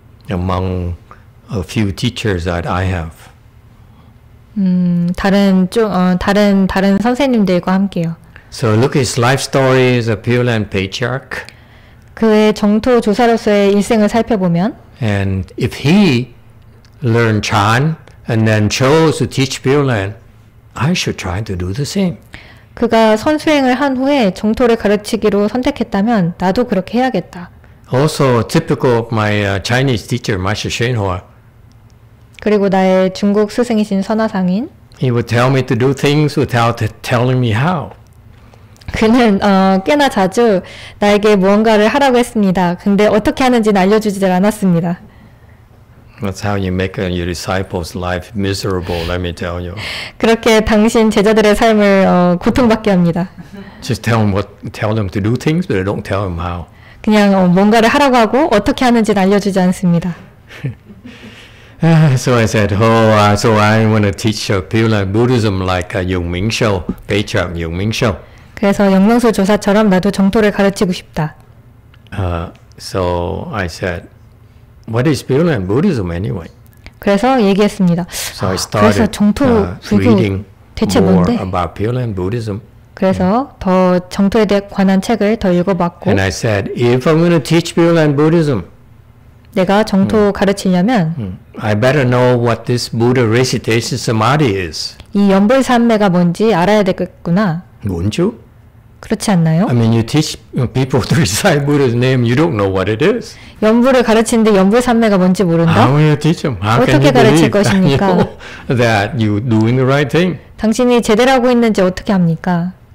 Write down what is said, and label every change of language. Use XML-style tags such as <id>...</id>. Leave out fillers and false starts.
<en>Among a few teachers that I have.</en> <ko>다른 선생님들과 함께요.</ko> <en>So look at his life story as a Pure Land patriarch.</en> <ko>그의 정토 조사로서의 일생을 살펴보면.</ko> <en>And if he learned Chan and then chose to teach Pure Land, I should try to do the same.</en> <ko>그가 선수행을 한 후에 정토를 가르치기로 선택했다면 나도 그렇게 해야겠다.</ko> <en>Also typical of my Chinese teacher, Master Shenhua.</en> <ko>그리고 나의 중국 스승이신 선화상인.</ko> <en>He would tell me to do things without telling me how.</en> <ko>그는 꽤나 자주 나에게 무언가를 하라고 했습니다. 근데 어떻게 하는지는 알려주지를 않았습니다.</ko> <en>That's how you make your disciple's life miserable, let me tell you.</en> <ko>그렇게 당신 제자들의 삶을 고통받게 합니다.</ko> <en>Just tell them to do things, but don't tell them how.</en> <ko>그냥 뭔가를 하라고 하고 어떻게 하는지 알려주지 않습니다.</ko> <en>So I said, oh, so I want to teach Pure Land Buddhism like Yongming Shou, patriarch Yongming Shou.</en> <ko>그래서 영명수 조사처럼 나도 정토를 가르치고 싶다.</ko> <en>So I said, what is Pure Land Buddhism anyway?</en> <ko>그래서 얘기했습니다.</ko> <en>So I started</en> <ko>그래서 정토 불교 대체 뭔데?</ko> <en>About Pure Land Buddhism.</en> <ko>그래서 더 정토에 대해 관한 책을 더 읽어봤고.</ko> <en>And I said, if I'm going to teach Pure Land Buddhism,</en> <ko>내가 정토 가르치려면,</ko> <en>I better know what this Buddha recitation samadhi is.</en> <ko>이 연불 삼매가 뭔지 알아야 되겠구나. 뭔죠? 그렇지 않나요?</ko> <en>I mean, you teach people to recite Buddha's name, you don't know what it is.</en> <ko>연불을 가르치는데 연불 삼매가 뭔지 모른다.</ko> <en>How will you teach them? How</en> <ko>어떻게</ko> <en>can you</en> <ko>가르칠 것입니까?</ko> <en>That you doing the right thing.</en> <ko>당신이 제대로 하고 있는지 어떻게 합니까?</ko>